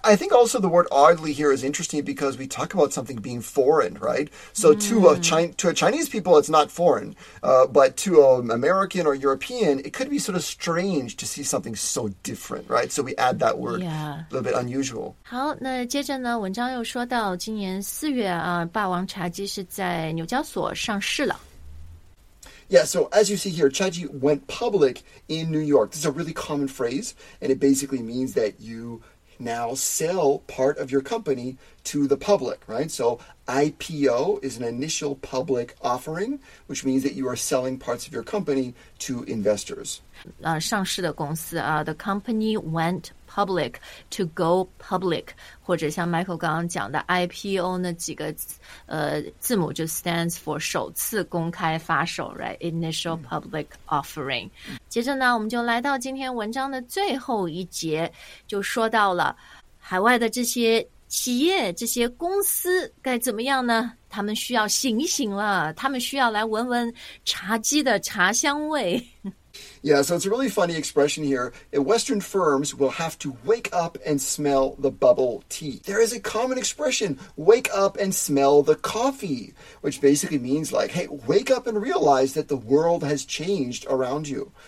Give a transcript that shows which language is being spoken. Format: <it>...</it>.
<en>I think also the word oddly here is interesting because we talk about something being foreign, right? So to a Chinese people, it's not foreign, but to an American or European, it could be sort of strange to see something so different, right? So we add that word, a little bit unusual.</en> <zh>好，那接着呢，文章又说到今年四月啊，霸王茶姬是在纽交所上市了。</zh> <en>Yeah, so as you see here, ChatGPT went public in New York. This is a really common phrase, and it basically means that you now sell part of your company to the public, right? So IPO is an initial public offering, which means that you are selling parts of your company to investors.</en> <zh>上市的公司啊</zh> <en>the company went public to go public,</en> <zh>或者像 Michael 刚刚讲的 IPO 那几个字母就</zh> <en>stands for</en> <zh>首次公开发售 right?</zh> <en>Initial public offering.</en> <zh>接着呢我们就来到今天文章的最后一节就说到了海外的这些企业这些公司该怎么样呢他们需要醒一醒了他们需要来闻闻茶几的茶香味。</zh> <en>Yeah, so it's a really funny expression here. Western firms will have to wake up and smell the bubble tea. There is a common expression, wake up and smell the coffee, which basically means like, hey, wake up and realize that the world has changed around you.</en>